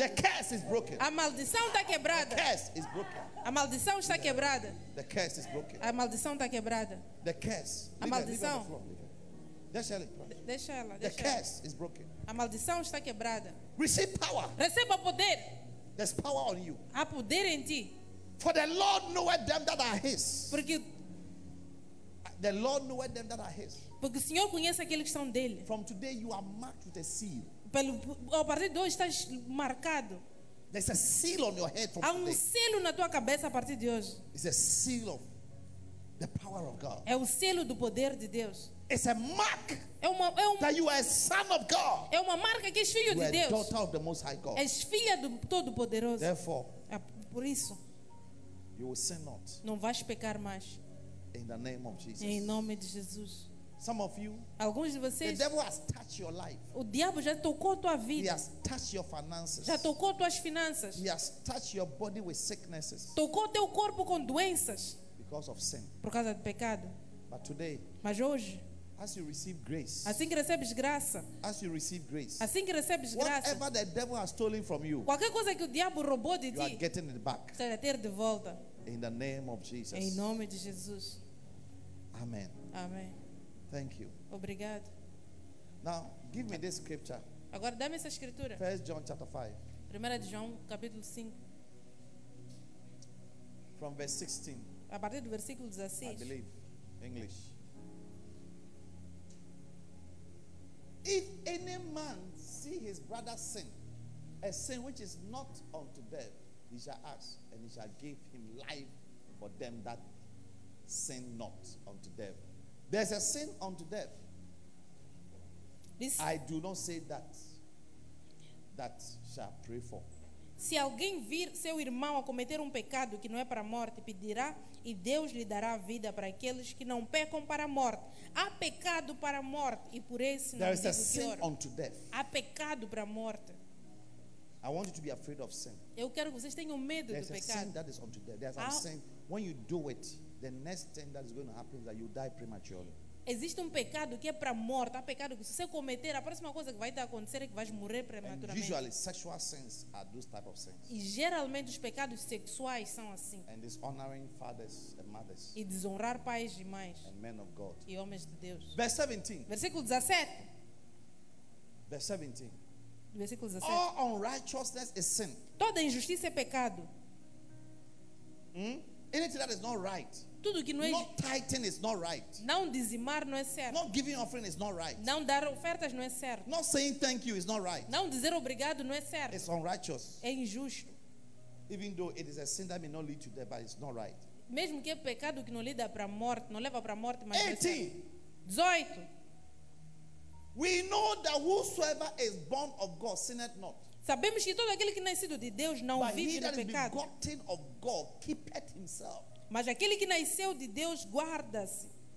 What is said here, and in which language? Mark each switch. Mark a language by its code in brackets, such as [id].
[en] The curse is broken. [pt] A maldição está quebrada. [en] The curse is broken. [pt] A maldição está quebrada. The curse is broken. A maldição está quebrada. The curse. A maldição. Deixa ela. Deixa ela. [en] The curse is broken. [pt] A maldição está quebrada. [en] Receive power. [pt] Receba poder. [en] There's power on you. [pt] Há poder em ti. [en] For the Lord knoweth them that are his. [pt] Porque [en] the Lord knoweth them that are his. [pt] Porque o Senhor conhece aqueles que são dele. [en] From today you are marked with a seal. [pt] A partir de hoje estás marcado. [en] There's a seal on your head from [pt] Há um selo na tua cabeça a partir de hoje. [en] It's a seal of the power of God. [pt] É o selo do poder de Deus. [en] It's a mark. That you are a son of God. [pt] É uma marca que és filho de Deus. [en] You are daughter of the Most High God. [pt] És filha do Todo-Poderoso. [en] Therefore, [pt] é por isso, [en] you will sin not. [pt] Não vais pecar mais. [en] In the name of Jesus. [pt] Em nome de Jesus. [en] Some of you, [pt] alguns de vocês, [en] the devil has touched your life. [pt] O diabo já tocou tua vida. [en] He has touched your finances. [pt] Já tocou tuas finanças. [en] He has touched your body with sicknesses. [pt] Tocou teu corpo com doenças. [en] Because of sin. [pt] Por causa do pecado. [en] But today, [pt] mas hoje, [en] as you receive grace, [pt] assim que recebes graça, [en] as you receive grace, [pt] assim que recebes graça, [en] whatever the devil has stolen from you, [pt] qualquer coisa que o diabo roubou de ti, [en] you are getting it back. [pt] Você vai ter de volta. [en] In the name of Jesus. [pt] Em nome de Jesus. [en] Amen. [pt] Amém. [en] Thank you. [pt] Obrigado. [en] Now, give me this scripture. [pt] Agora dá-me essa escritura. [en] 1 John chapter 5. [pt] 1 João capítulo 5. [en] From verse 16. [pt] A partir do versículo 16. [en] I believe. English. If any man see his brother sin, a sin which is not unto death, he shall ask, and he shall give him life for them that sin not unto death. There's a sin unto death. This, I do not say that shall pray for. [pt] Se alguém vir seu irmão a cometer um pecado que não é para a morte, pedirá e Deus lhe dará vida para aqueles que não pecam para a morte. Há pecado para a morte e por esse não [en] There [pt] digo [en] is a sin [pt] oro. [en] Unto death. [pt] Há pecado para a morte. [en] I want you to be afraid of sin. [pt] Eu quero que vocês tenham medo [en] There's [pt] do pecado. [en] There's a sin that is unto death. There's a sin when you do it. The next thing that is going to happen is that you die prematurely. [pt] Existe pecado que é para morte, há pecado que se você cometer, a próxima coisa que vai te acontecer é que vais morrer prematuramente. [en] Usually, sexual sins are those type of sins. [pt] E geralmente os pecados sexuais são assim. [en] And dishonoring fathers and mothers. [pt] E desonrar pais e mães. [en] And men of God. [pt] E homens de Deus. [en] Verse 17. [pt] Versículo 17. [en] Verse 17. [pt] Versículo 17. [en] All unrighteousness is sin. [pt] Toda injustiça é pecado. [en] Anything that is not right. [pt] Tudo que não é [en] not tithing is not right. [pt] Não dizimar não é certo. [en] Not giving offering is not right. [pt] Não dar ofertas não é certo. [en] Not saying thank you is not right. [pt] Não dizer obrigado não é certo. [en] It's unrighteous. [pt] É injusto. [en] Even though it is a sin that may not lead to death, but it's not right. [pt] Mesmo que é pecado que não lida para morte, não leva para morte, mas [en] 18. [pt] É 18. [en] We know that whosoever is born of God sinneth not. [pt] Sabemos que todo aquele que nascido de Deus não [en] but [pt] vive no pecado. [en] But he that is begotten of God keepeth himself. [pt] Mas aquele que nasceu de Deus guarda-se.